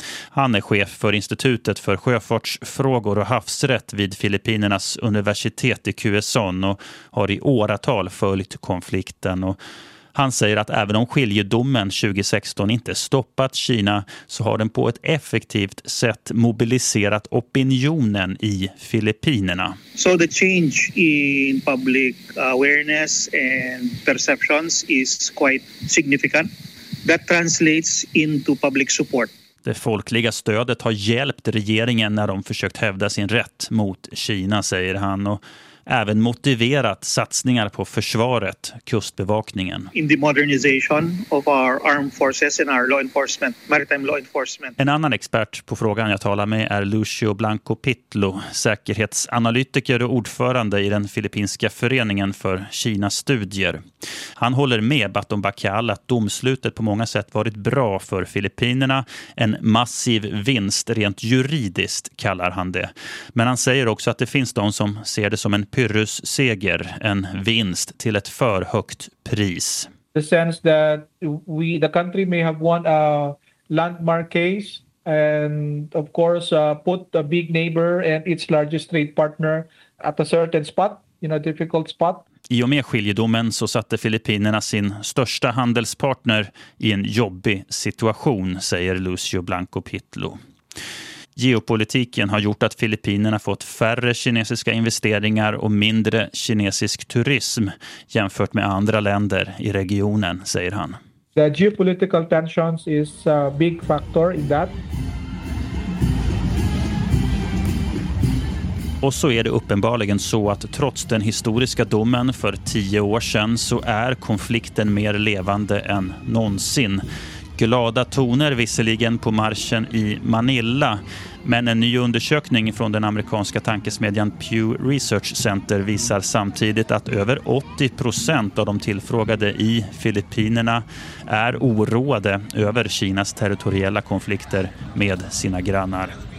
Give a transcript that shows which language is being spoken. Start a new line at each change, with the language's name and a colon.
Swedish: Han är chef för institutet för sjöfartsfrågor och havsrätt vid Filippinernas universitet i Quezon och har i åratal följt konflikten. Och han säger att även om skiljedomen 2016 inte stoppat Kina, så har den på ett effektivt sätt mobiliserat opinionen i Filippinerna.
English: So the change in public awareness and perceptions is quite significant. That translates into public support.
Swedish: Det folkliga stödet har hjälpt regeringen när de försökt hävda sin rätt mot Kina, säger han. Och även motiverat satsningar på försvaret, kustbevakningen.
English: In the modernization of our armed forces and our law enforcement, maritime law enforcement.
Swedish: En annan expert på frågan jag talar med är Lucio Blanco Pitlo, säkerhetsanalytiker och ordförande i den filippinska föreningen för Kinas studier. Han håller med Batombakal att domslutet på många sätt varit bra för Filippinerna. En massiv vinst rent juridiskt, kallar han det. Men han säger också att det finns de som ser det som en Pyrrhus seger, en vinst till ett för högt pris.
English: The sense that we, the country may have won a landmark case and of course put a big neighbor and its largest trade partner at a certain spot, in a difficult spot.
Swedish: I och med skiljedomen så satte Filippinerna sin största handelspartner i en jobbig situation, säger Lucio Blanco Pitlo. Geopolitiken har gjort att Filippinerna fått färre kinesiska investeringar och mindre kinesisk turism jämfört med andra länder i regionen, säger han.
English: The geopolitical tensions is a big factor in that.
Swedish: Och så är det uppenbarligen så att trots den historiska domen för 10 år sedan så är konflikten mer levande än någonsin. Glada toner visserligen på marschen i Manila, men en ny undersökning från den amerikanska tankesmedjan Pew Research Center visar samtidigt att över 80% av de tillfrågade i Filippinerna är oroade över Kinas territoriella konflikter med sina grannar.